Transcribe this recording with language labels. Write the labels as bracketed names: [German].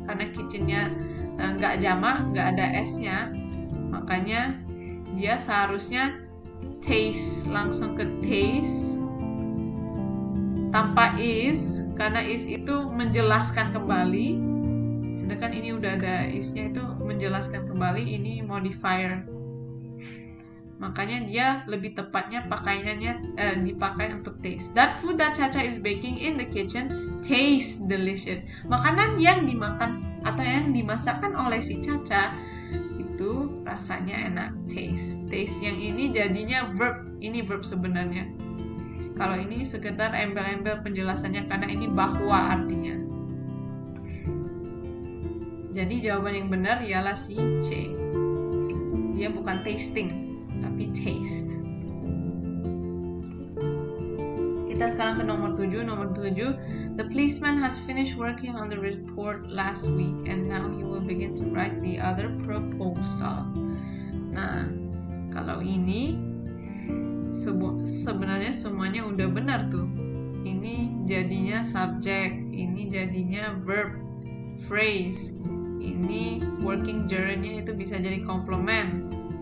[Indonesian] Karena kitchennya nggak jamak, nggak ada S-nya, makanya dia seharusnya taste, langsung ke taste tanpa is, karena is itu menjelaskan kembali, sedangkan ini udah ada is-nya, itu menjelaskan kembali, ini modifier. Makanya dia lebih tepatnya pakaiannya dipakai untuk taste. [English] That food that Chacha is baking in the kitchen tastes delicious. [Indonesian] Makanan yang dimakan atau yang dimasakkan oleh si Chacha itu rasanya enak, taste. Taste yang ini jadinya verb, ini verb sebenarnya. Kalau ini sekedar embel-embel penjelasannya karena ini bahwa artinya. Jadi jawaban yang benar ialah si C. Dia bukan tasting, tapi taste. Kita sekarang ke nomor 7. Nomor 7, [English] the policeman has finished working on the report last week and now he will begin to write the other proposal. [Indonesian] Nah, kalau ini sebenarnya semuanya udah benar tuh. Ini jadinya subject, ini jadinya verb phrase, ini working gerundnya itu bisa jadi complement.